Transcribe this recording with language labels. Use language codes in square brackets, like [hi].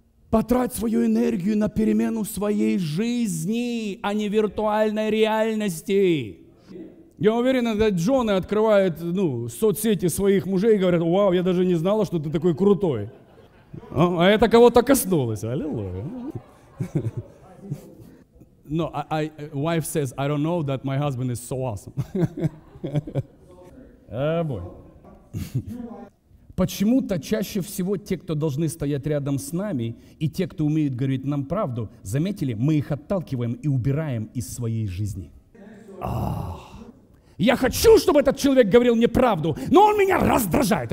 [ru] Потрать свою энергию на перемену своей жизни, а не виртуальной реальности. Я уверен, когда жены открывают соцсети своих мужей и говорят, вау, я даже не знала, что ты такой крутой. А это кого-то коснулось, аллилуйя. [en] No, I wife says, I don't know that my husband is so awesome. Oh, boy. [ru] Почему-то чаще всего те, кто должны стоять рядом с нами, и те, кто умеют говорить нам правду, заметили, мы их отталкиваем и убираем из своей жизни. Я хочу, чтобы этот человек говорил мне правду, но он меня раздражает.